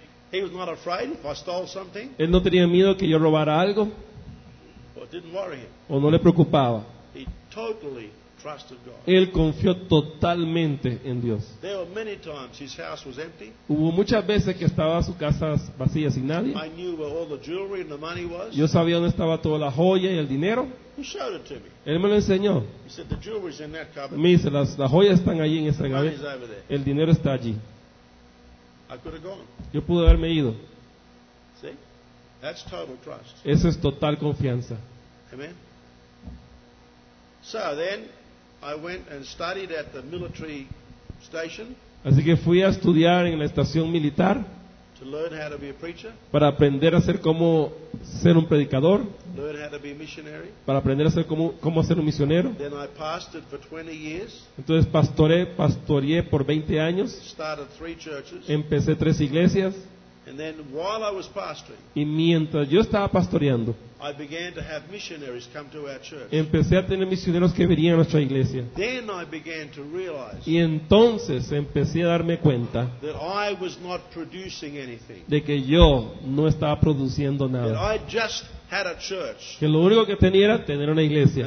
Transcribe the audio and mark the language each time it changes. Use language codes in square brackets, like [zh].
[en] He was not afraid if I stole something. [es] Él no tenía miedo que yo robara algo. [en] Or didn't worry him. [es] O no le preocupaba. [en] He totally trusted God. [es] Él confió totalmente en Dios. [en] There were many times his house was empty. [es] Hubo muchas veces que estaba su casa vacía sin nadie. [en] I knew where all the jewelry and the money was. [es] Yo sabía dónde estaba toda la joya y el dinero. [en] He showed it to me. [es] Él me lo enseñó. [en] He said, the jewelry's in that cupboard. [es] Me dice, las joyas están allí en esa gaveta. El dinero está allí. [en] I could have gone. [es] Yo pude haberme ido. [en] See? That's total trust. [es] Eso es total confianza. [en] Amen. So then I went and studied at the military station. [es] Así que fui a estudiar en la estación militar. [en] To learn how to be a preacher. [es] Para aprender a ser como ser un predicador. [en] Learn how to be a missionary. [es] Para aprender a ser como ser un misionero. [en] Then I pastored for 20 years. [es] Entonces pastoreé por 20 años. [en] Started 3 churches. [es] Empecé 3 iglesias. [en] And then while I was pastoring, [es] y mientras yo estaba pastoreando, [en] I began to have missionaries come to our church. [es] Empecé a tener misioneros que venían a nuestra iglesia. [en] Then I began to realize, [es] y entonces empecé a darme cuenta, [en] that I was not producing anything, [es] de que yo no estaba produciendo nada, [en] that I just had a church, [es] que lo único que tenía era tener una iglesia,